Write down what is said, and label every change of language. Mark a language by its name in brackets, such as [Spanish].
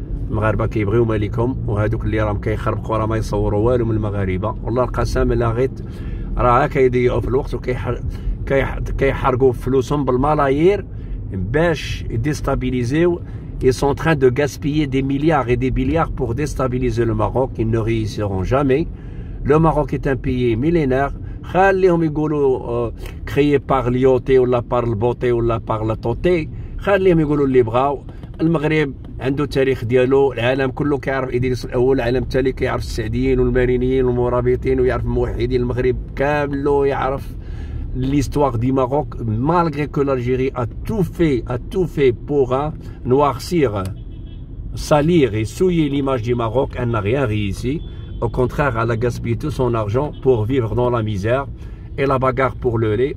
[Arabic] المغاربه كيبغيو مالكم وهذوك اللي راهم كيخربقوا راه ما يصوروا والو من المغاربه والله القسم الا غيت راه كيضيعوا في الوقت وكيحرقوا فلوسهم بالملايير باش ديستابيليزيو [French] ils sont en train de gaspiller des milliards et des milliards pour déstabiliser le Maroc. Ils ne réussiront jamais. Le Maroc est un pays millénaire. [Arabic] خليهم يقولوا [French] créé par l'ioté ou par le beauté ou par la toté. [Arabic] خليهم يقولوا اللي بغاو. المغرب عنده تاريخ ديالو، العالم كله كيعرف ادريس الاول، العالم التالي كيعرف السعديين والمارينيين والمرابطين ويعرف الموحدين. المغرب كامله يعرف [French] l'histoire du Maroc malgré que l'Algérie a tout fait pour noircir, salir et souiller l'image du Maroc, elle n'a rien réussi. Au contraire, elle a gaspillé tout son argent pour vivre dans la misère et la bagarre pour le lait.